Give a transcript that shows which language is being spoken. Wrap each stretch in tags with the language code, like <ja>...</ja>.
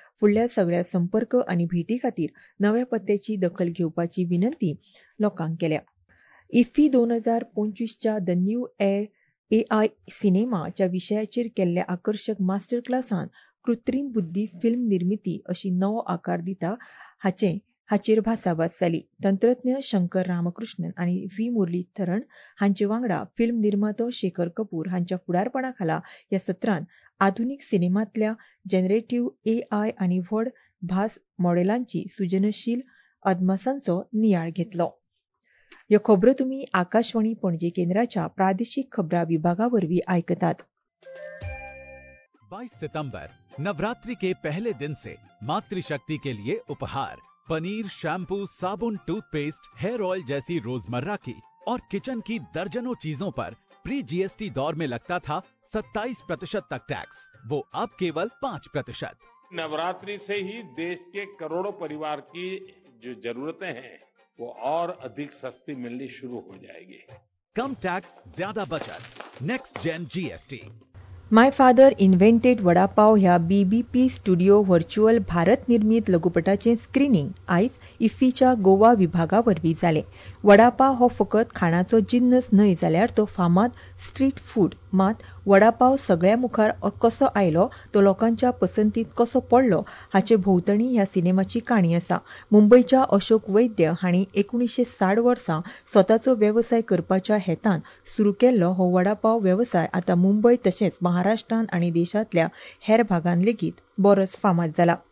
<gom>फुडल्या सगळ्या संपर्क आनी भेटी खातीर नव्या पत्त्याची दखल घेवपाची विनंती लोकांक केल्या. इफ्फी 2025 द न्यू AI सिनेमाच्या विशयाचेर केल्ल्या आकर्षक मास्टर क्लासान कृत्रीम बुद्धी फिल्म निर्मिती अशी नवो आकार दिता हाचेर भासाभास जाली. तंत्रज्ञ शंकर रामकृष्णन आनी व्ही मुरलीधरन हांचे वांगडा फिल्म निर्मातो शेखर कपूर हांच्या फुडारपणा खाला ह्या सत्रान आधुनिक सिनेमातल्या जनरेटीव AI आनी व्हड भास मॉडेलांची सृजनशील अदमासांचो नियाळ घेतलो. ह्यो खबरो तुमी आकाशवाणी पणजे केंद्राच्या प्रादेशिक खबरां विभागावरवी आयकतात.</gom> <hi>22 सितंबर नवरात्रि के पहले दिन से मातृशक्ति के लिए उपहार पनीर शैम्पू साबुन टूथपेस्ट हेयर ऑयल जैसी रोजमर्रा की और किचन की दर्जनों चीजों पर प्री GST दौर में लगता था 27% तक टैक्स वो अब केवल 5%. नवरात्रि से ही देश के करोड़ों परिवार की जो जरूरतें हैं वो और अधिक सस्ती मिलनी शुरू हो जाएगी. कम टैक्स ज्यादा बचत next gen GST.</hi> <gom>माय फादर इन्वेंटेड वडापाव ह्या बीबीपी स्टुडिओ व्हर्च्युअल भारत निर्मीत लघुपटाचे स्क्रीनिंग आयज इफ्फीच्या गोवा विभागा वरवीं जाले. वडापाव हो फकत खाणाचो जिन्नस न्हय जाल्यार तो फामाद स्ट्रीट फूड. मात वडापाव सगळ्या मुखार कसो आयलो तो लोकांच्या पसंतीत कसो पडलो हाचे भोंवतणी ह्या सिनेमाची काणी आसा. मुंबयच्या अशोक वैद्य हांणी 1960 वर्सा स्वताचो वेवसाय करपाच्या हेतान सुरू केल्लो हो वडापाव वेवसाय आतां मुंबय तशेंच महाराष्ट्रान आनी देशातल्या हेर भागांत लेगीत बरोच फामाद जाला.</gom>